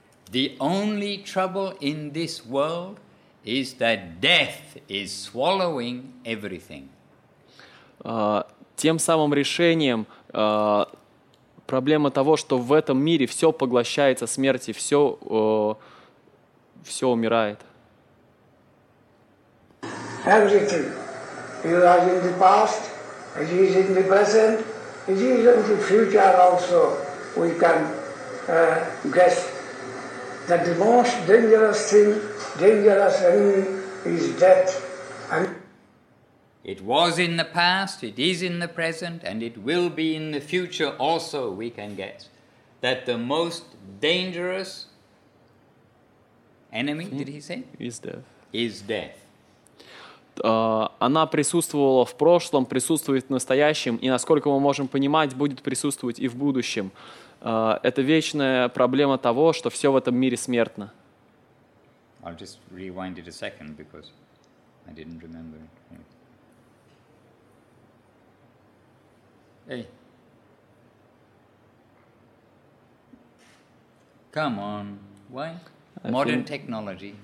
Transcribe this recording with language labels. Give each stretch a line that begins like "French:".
English: The only trouble in this world is that death is swallowing everything.
Russian: Тем самым решением проблема того, что в этом мире все поглощается смертью, все умирает.
English: Everything. He is in the past, he is in the present, he is in the future also. We can guess that the most dangerous thing, dangerous enemy, is death. And it was in the past, it is in the present, and it will be in the future also, we can guess. That the most dangerous enemy, did he say? Is death. Is death.
Russian: Она присутствовала в прошлом, присутствует в настоящем, и, насколько мы можем понимать, будет присутствовать и в будущем. Это вечная проблема того, что все в этом мире смертно.
English: I'll just rewind it a second, because I didn't remember it. Hey. Come on. Why? Modern technology.